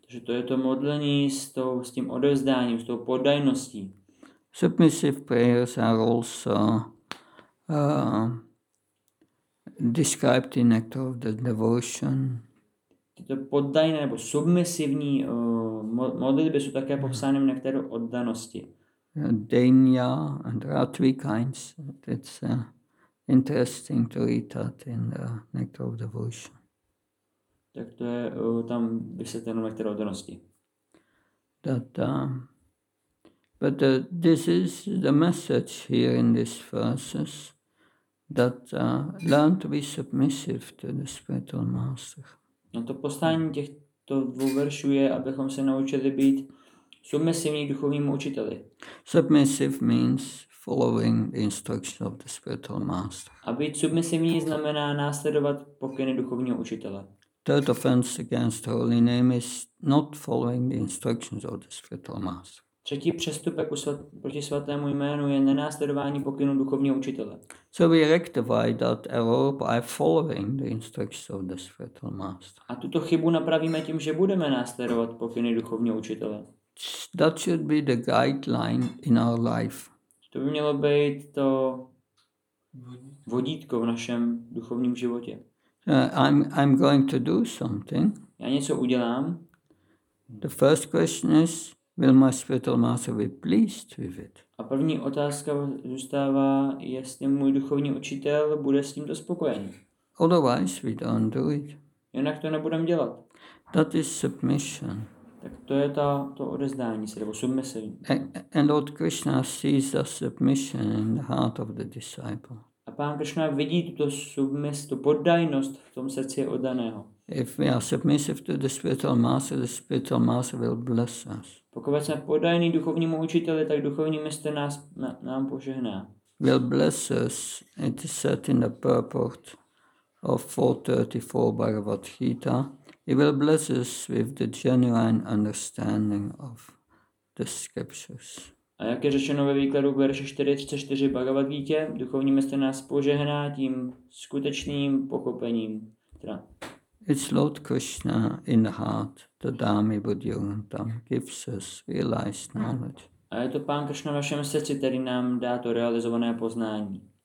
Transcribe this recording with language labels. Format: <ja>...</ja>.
<cs>Takže to je to modlení s tím odevzdáním, s tou poddajností.</cs> <en>Submissive prayers are also described in act of the devotion.</en> <cs>Tyto poddajné nebo submisivní modlitby jsou také popsány v některé oddanosti.</cs> <en>Dania, and there are three kinds. It's interesting to read that in the act of devotion.</en> <cs>Tak to je tam vysvětleno v některé oddanosti.</cs> <en>But this is the message here in these verses that learn to be submissive to the spiritual master.</en> <cs>No to poslání těchto dvou veršů je, abychom se naučili být submisivní duchovnímu učiteli.</cs> <en>Submissive means following the instructions of the spiritual master.</en> <cs>A být submisivní znamená následovat pokyny duchovního učitele.</cs> <en>Third offense against holy name is not following the instructions of the spiritual master.</en> <cs>Třetí přestupek proti svatému jménu je nenásledování pokynů duchovního učitele.</cs> <en>So we rectify that error by following the instructions of the spiritual master.</en> <cs>A tuto chybu napravíme tím, že budeme následovat pokyny duchovního učitele.</cs> <en>That should be the guideline in our life.</en> <cs>To by mělo být to vodítko v našem duchovním životě.</cs> <en>I'm going to do something.</en> <cs>Já něco udělám.</cs> <en>The first question is, will my spiritual master be pleased with it?</en> <cs>A první otázka zůstává, jestli můj duchovní učitel bude s tímto spokojený.</cs> <en>Otherwise we don't do it.</en> <cs>Jinak to nebudem dělat.</cs> <en>That is submission.</en> <cs>Tak to je to odezdání se, nebo submission.</cs> <en>And Lord Krishna sees the submission in the heart of the disciple.</en> <cs>A pán Krishna vidí tuto submis, tu poddajnost v tom srdci oddaného.</cs> <en>If we are submissive to the spiritual master will bless us.</en> <cs>Pokud jsme poddajní duchovnímu učiteli, tak duchovní mistr nám požehná.</cs> <en>Will bless us, it is said in the purport of 434 Bhagavad Gita. He will bless us with the genuine understanding of the scriptures.</en> <cs>A jak je řečeno ve výkladu k verši 434 Bhagavad Gita, duchovní mistr nás požehná tím skutečným pochopením.</cs> <en>It's Lord Krishna in the heart, the Dhammi Buddhyogantam, gives us realized knowledge.</en> <cs>A je to pán Krishna v našem srdci, který nám dá to realizované poznání.</cs>